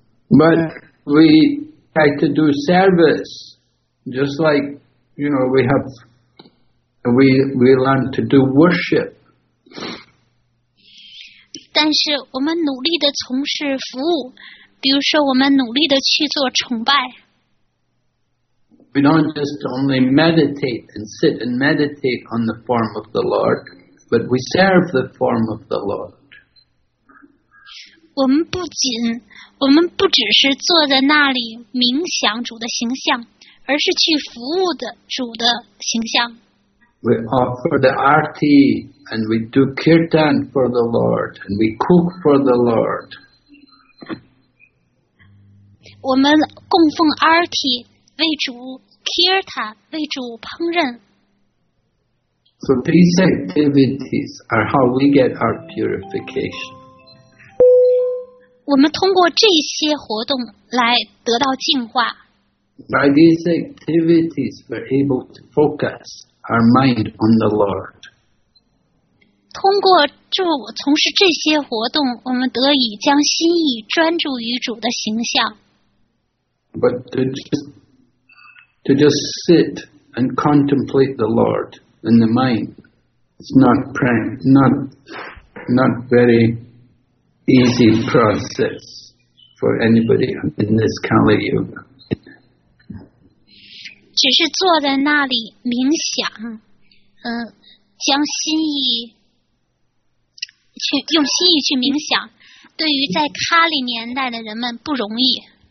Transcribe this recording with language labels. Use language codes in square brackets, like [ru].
[en] But we try to do service, just like you know we learn to do worship. [zh] 但是我们努力的从事服务，比如说我们努力的去做崇拜。 [en] We don't just only meditate and sit and meditate on the form of the Lord, but we serve the form of the Lord. [zh] 我们不只是坐在那里冥想主的形象，而是去服务的主的形象。 [en] We offer the arti and we do kirtan for the Lord and we cook for the Lord. [zh] 我们供奉 arti 为主 ，kirtan 为主烹饪。 [en] So these activities are how we get our purification. [zh] 我们通过这些活动来得到净化。 [en] By these activities, we're able to focus our mind on the Lord. [zh] 通过从事这些活动，我们得以将心意专注于主的形象。 [en] But to just sit and contemplate the Lord in the mind is not very. Easy process for anybody in this Kali Yuga. [zh] 只是坐在那里冥想，将心意去用心意去冥想，对于在卡里年代的人们不容易。